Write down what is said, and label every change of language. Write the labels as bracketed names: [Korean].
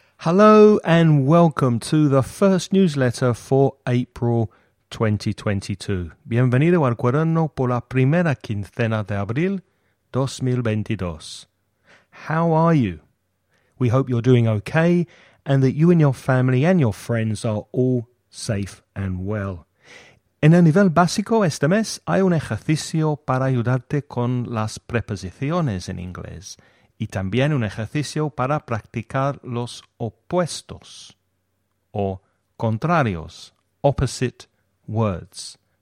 [English] Hello and welcome to the first newsletter for April 2022. [Spanish] Bienvenido al cuaderno por la primera quincena de abril 2022. [English] How are you? We hope you're doing okay and that you and your family and your friends are all safe and well. [Spanish] En el nivel básico este mes hay un ejercicio para ayudarte con las preposiciones en inglés. Y también un ejercicio para practicar los opuestos o contrarios, [English] opposite words.